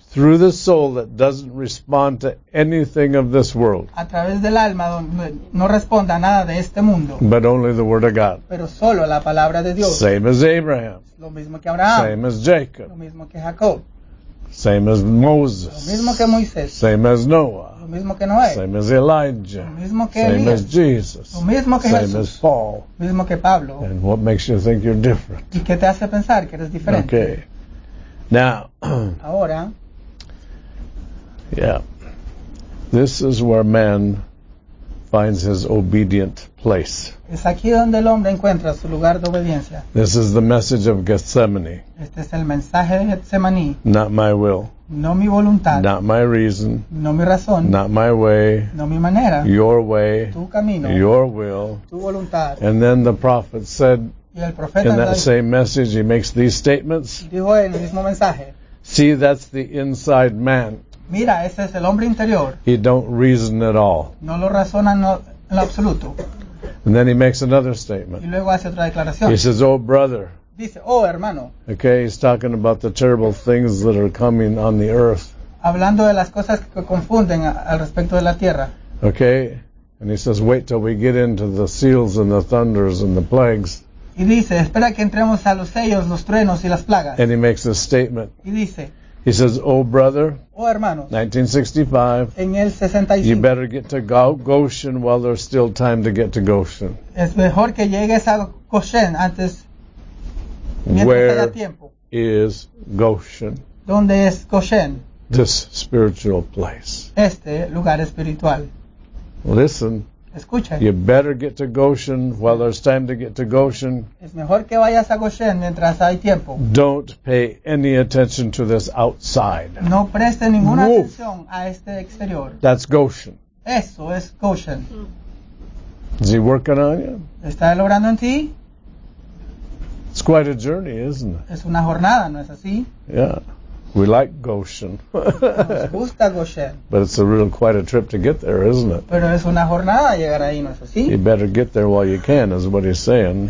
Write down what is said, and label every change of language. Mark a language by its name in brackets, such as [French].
[English] through the soul that doesn't respond to anything of this world [Spanish] a través del alma donde no responda nada de este mundo, [English] but only the word of God [Spanish] pero solo la palabra de Dios, [English] same as Abraham, [Spanish] lo mismo que Abraham [English] same as Jacob, [Spanish] lo mismo que Jacob. [English] Same as Moses. [Spanish] Lo mismo que Moisés. [English] Same as Noah. [Spanish] Lo mismo que Noé. [English] Same as Elijah. [Spanish] Lo mismo que [English] Same [Spanish] Elías. [English] As Jesus. [Spanish] Lo mismo que [English] Same [Spanish] Jesús. [English] As Paul. [Spanish] Lo mismo que Pablo. [English] And what makes you think you're different? [Spanish] ¿Y qué te hace pensar que eres diferente? [English] Okay. Now. [Spanish] Ahora. [English] Yeah. This is where man finds his obedient place. [Spanish] Es aquí donde el hombre encuentra su lugar de obediencia. [English] This is the message of Gethsemane. [Spanish] Este es el mensaje de Getsemaní. [English] Not my will. [Spanish] No mi voluntad. [English] Not my reason. [Spanish] No mi razón. [English] Not my way. [Spanish] No mi manera. [English] Your way. [Spanish] Tu camino. [English] Your will. [Spanish] Tu voluntad. [English] And then the prophet said, [Spanish] y el profeta [English] in that same message, he makes these statements. [Spanish] Dijo en el mismo mensaje. [English] See, that's the inside man. [Spanish] Mira, ese es el hombre interior. [English] He don't reason at all. [Spanish] No lo razona en lo absoluto. [English] And then he makes another statement. [Spanish] Y luego hace otra declaración. [English] He says, oh, brother. [Spanish] Dice, oh, hermano. [English] Okay, he's talking about the terrible things that are coming on the earth. [Spanish] Hablando de las cosas que confunden al respecto de la tierra. [English] Okay, and he says, wait till we get into the seals and the thunders and the plagues. [Spanish] Y dice, espera que entremos a los sellos, los truenos y las plagas. [English] And he makes a statement. [Spanish] Y dice, [English] he says, oh, brother. [Spanish] Oh, hermanos. [English] 1965. [Spanish] En el 65. [English] You better get to Goshen while there's still time to get to Goshen. [Spanish] Es mejor que llegues a Goshen antes. [English] Where [Spanish] queda tiempo. [English] Is Goshen? [Spanish] ¿Dónde es Goshen? [English] This spiritual place. [Spanish] Este lugar espiritual. [English] Listen. [Spanish] Escucha. [English] You better get to Goshen while there's time to get to Goshen. [Spanish] Es mejor que vayas a Goshen mientras hay tiempo. [English] Don't pay any attention to this outside. [Spanish] No preste ninguna Move. Atención a este exterior. [English] That's Goshen. [Spanish] Eso es Goshen. [English] Is he working on you? [Spanish] ¿Está logrando en ti? [English] It's quite a journey, isn't it? [Spanish] Es una jornada, ¿no es así? [English] Yeah. We like Goshen. [Spanish] Nos gusta Goshen. [English] But it's a real quite a trip to get there, isn't it? [Spanish] Pero es una jornada llegar ahí, ¿no es así? [English] You better get there while you can, is what he's saying.